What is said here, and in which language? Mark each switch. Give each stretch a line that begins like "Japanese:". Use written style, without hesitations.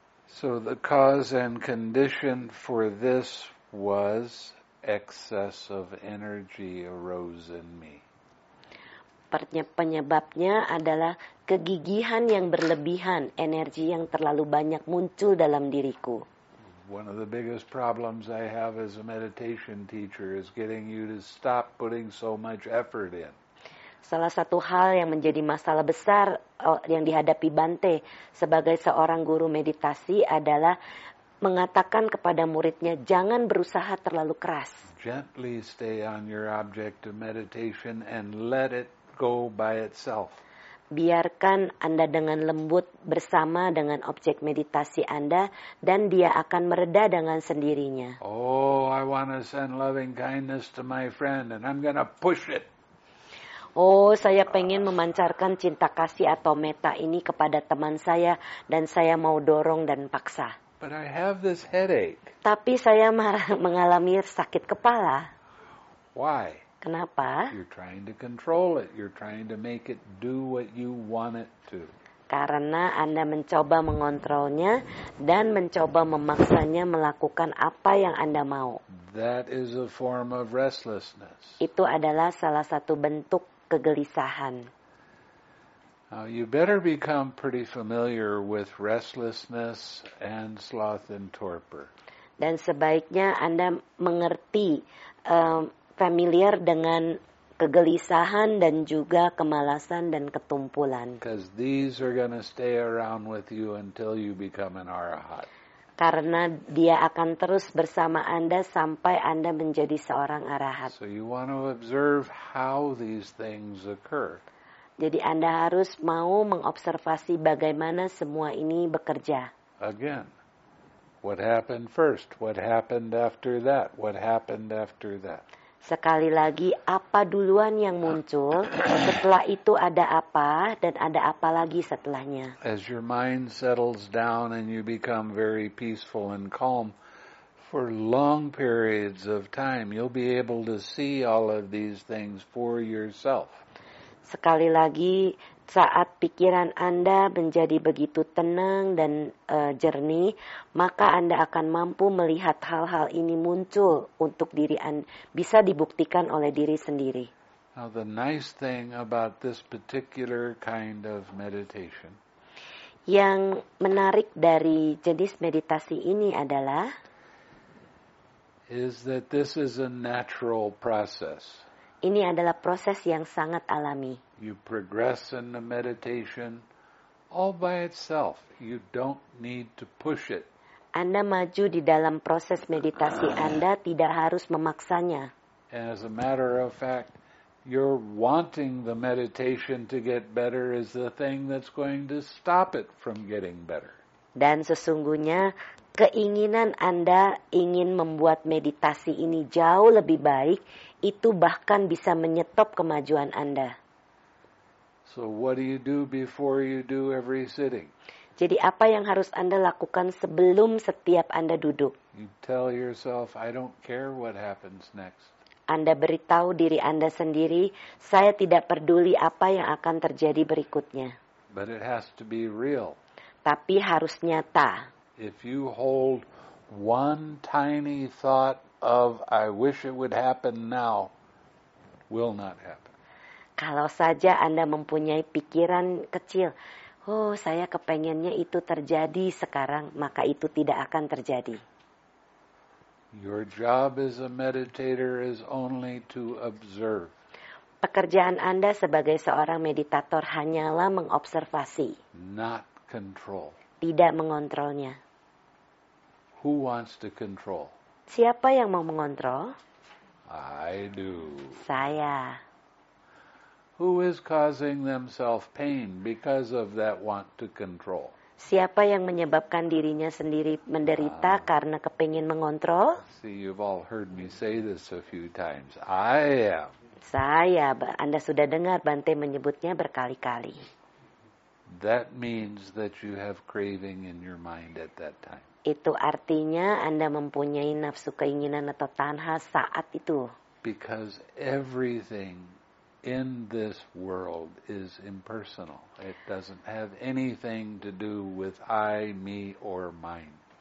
English: So the cause and condition for this was excess of energy arose in me.
Indonesian: Penyebabnya adalah kegigihan yang berlebihan, energi yang terlalu banyak muncul dalam diriku.
English: One of the biggest problems I have as a meditation teacher is getting you to stop putting so much effort in.
Indonesian: Salah satu hal yang menjadi masalah besar yang dihadapi Bante sebagai seorang guru meditasi adalah mengatakan kepada muridnya, jangan berusaha terlalu keras.
English: Gently stay on your object of meditation and let it go by itself.
Indonesian: Biarkan Anda dengan lembut bersama dengan objek meditasi Anda dan dia akan mereda dengan sendirinya.
English: Oh, I want to send loving kindness to my friend and I'm going to push it.
Indonesian: Oh, saya pengen memancarkan cinta kasih atau metta ini kepada teman saya dan saya mau dorong dan paksa.
English: But I have this headache.
Indonesian: Tapi saya mengalami sakit kepala.
English: Why?
Indonesian: Kenapa?
English: You're trying to control it. You're trying to make it do what you want it to.
Indonesian: Karena Anda mencoba mengontrolnya dan mencoba memaksanya melakukan apa yang Anda mau.
English: That is a form of restlessness.
Indonesian: Itu adalah salah satu bentuk kegelisahan.
English: Now you better become pretty familiar with restlessness and sloth and torpor.
Indonesian: Dan sebaiknya Anda mengerti, familiar dengan kegelisahan dan juga kemalasan dan ketumpulan.
English: Because these are going to stay around with you until you become an arahat.
Indonesian: Karena dia akan terus bersama Anda sampai Anda menjadi seorang arahat.
English: So you want to observe how these things occur.
Indonesian: Jadi Anda harus mau mengobservasi bagaimana semua ini bekerja.
English: Again, what happened first? What happened after that? What happened after that?
Indonesian: Sekali lagi, apa duluan yang muncul, setelah itu ada apa, dan ada apa lagi setelahnya.
English: As your mind settles down and you become very peaceful and calm, for long periods of time, you'll be able to see all of these things for yourself.
Indonesian: Sekali lagi, Saat pikiran Anda menjadi begitu tenang dan jernih, maka Anda akan mampu melihat hal-hal ini muncul untuk diri Anda, bisa dibuktikan oleh diri sendiri.
English: Now the nice thing about this particular kind of meditation.
Indonesian: Yang menarik dari jenis meditasi ini adalah
English: is that this is a natural process.
Indonesian: Ini adalah proses yang sangat alami.
English: You progress in the meditation all by itself. You don't need to push it.
Indonesian: Anda maju di dalam proses meditasi Anda, tidak harus memaksanya.
English: And as a matter of fact, you're wanting the meditation to get better is the thing that's going to stop it from getting better.
Indonesian: Dan sesungguhnya keinginan Anda ingin membuat meditasi ini jauh lebih baik itu bahkan bisa menyetop kemajuan Anda.
English: So what do you do before you do every sitting?
Indonesian: Jadi apa yang harus Anda lakukan sebelum setiap Anda duduk?
English: You tell yourself, I don't care what happens next.
Indonesian: Anda beritahu diri Anda sendiri, saya tidak peduli apa yang akan terjadi berikutnya.
English: But it has to be real.
Indonesian: Tapi harus nyata.
English: If you hold one tiny thought of I wish it would happen now, will not happen.
Indonesian: Kalau saja Anda mempunyai pikiran kecil, oh saya kepengennya itu terjadi sekarang, maka itu tidak akan terjadi.
English: Your job as a meditator is only to observe.
Indonesian: Pekerjaan Anda sebagai seorang meditator hanyalah mengobservasi.
English: Not control.
Indonesian: Tidak mengontrolnya.
English: Who wants to control?
Indonesian: Siapa yang mau mengontrol?
English: I do.
Indonesian: Saya.
English: Who is causing themselves pain because of that want to control?
Indonesian: Siapa yang menyebabkan dirinya sendiri menderita karena kepingin mengontrol?
English: See, you've all heard me say this a few times. I am.
Indonesian: Saya, Anda sudah dengar Bante menyebutnya berkali-kali.
English: That means that you have craving in your mind at that time.
Indonesian: Itu artinya Anda mempunyai nafsu keinginan atau tanha saat itu.
English: Because everything in this world is impersonal. It doesn't have anything to do with I, me, or mine.